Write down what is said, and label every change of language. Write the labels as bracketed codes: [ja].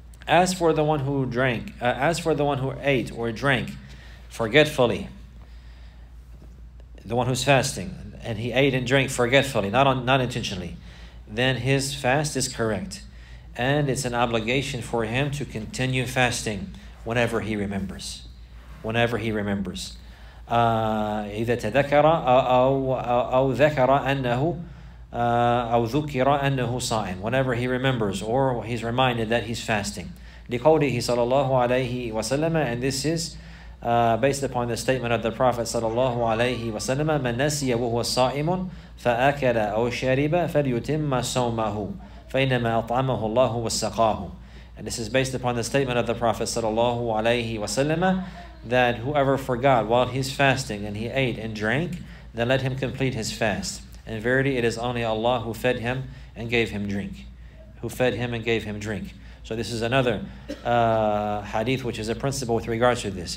[en] As for the one who drank, as for the one who ate or drank forgetfully, the one who's fasting and he ate and drank forgetfully, not intentionally, then his fast is correct. And it's an obligation for him to continue fasting whenever he remembers. Whenever he remembers. [ar] إذا تذكر أو ذكر أنه أو ذكر أنه صائم. [en] Whenever he remembers or he's reminded that he's fasting. [ar] لقوله صلى الله عليه وسلم. [en] And this is based upon the statement of the Prophet صلى الله عليه وسلم. [ar] من نسي وهو صائم فأكل أو شرب فليتم صومه فإنما أطعمه الله وسقاه. [en] And this is based upon the statement of the Prophet صلى الله عليه وسلم, that whoever forgot while he's fasting and he ate and drank, then let him complete his fast. In verity, it is only Allah who fed him and gave him drink. Who fed him and gave him drink. So this is another hadith, which is a principle with regards to this.